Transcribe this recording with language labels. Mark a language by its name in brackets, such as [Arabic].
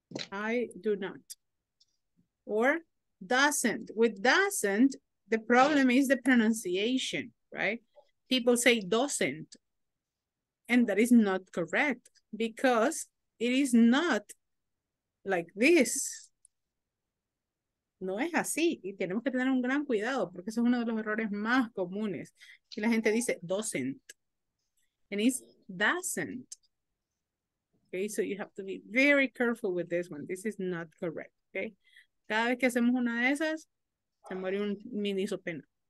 [English] I do not. Or doesn't. With doesn't, the problem is the pronunciation, right? People say doesn't. And that is not correct because it is not like this. [Spanish] No es así. Y tenemos que tener un gran cuidado porque eso es uno de los errores más comunes. Y la gente dice doesn't. [English] And it's doesn't. Okay, so you have to be very careful with this one. This is not correct. Okay. [Spanish] Cada vez que hacemos una de esas, se muere un ministro pena.